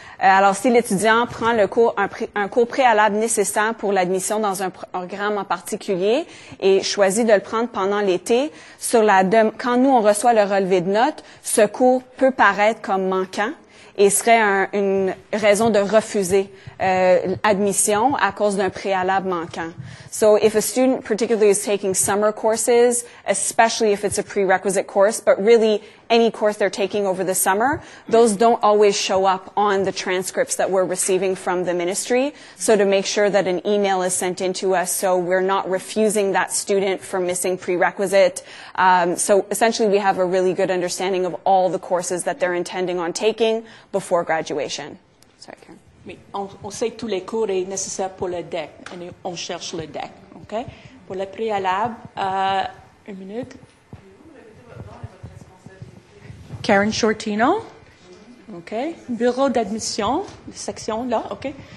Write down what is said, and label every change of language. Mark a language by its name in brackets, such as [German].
[French] Alors, si l'étudiant prend un cours préalable nécessaire pour l'admission dans un programme en particulier et choisit de le prendre pendant l'été, quand nous, on reçoit le relevé de notes, ce cours peut paraître comme manquant et serait une raison de refuser admission à cause d'un préalable manquant. [English] So if a student particularly is taking summer courses, especially if it's a prerequisite course, but really any course they're taking over the summer, those don't always show up on the transcripts that we're receiving from the ministry. So to make sure that an email is sent in to us so we're not refusing that student for missing prerequisite. So essentially we have a really good understanding of all the courses that they're intending on taking before graduation. Sorry, Karen. [French] Mais on sait que tous les cours sont nécessaires pour le DEC. On cherche le DEC. Okay? Pour le préalable, une minute. Karen Shortino. Okay. Bureau d'admission, section là. Okay.